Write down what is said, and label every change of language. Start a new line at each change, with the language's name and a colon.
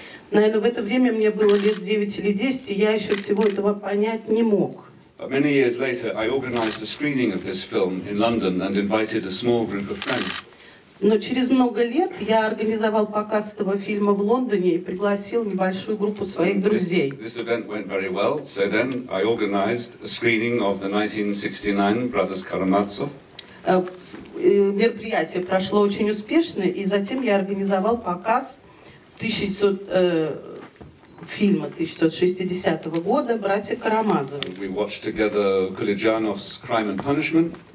Russian: Наверное, в это время мне было лет 9 или 10, и я еще всего этого понять не мог.
English: But many years later I organized a screening of this film in London and invited a small group of friends.
Russian: Но через много лет я организовал показ этого фильма в Лондоне и пригласил небольшую группу своих друзей.
English: This event went very well, so then I organized a screening of the 1969 Brothers Karamazov.
Russian: Мероприятие прошло очень успешно, и затем я организовал показ фильма 1960 года «Братья Карамазовы».
English: We watched together Kolyajanov's Crime and Punishment.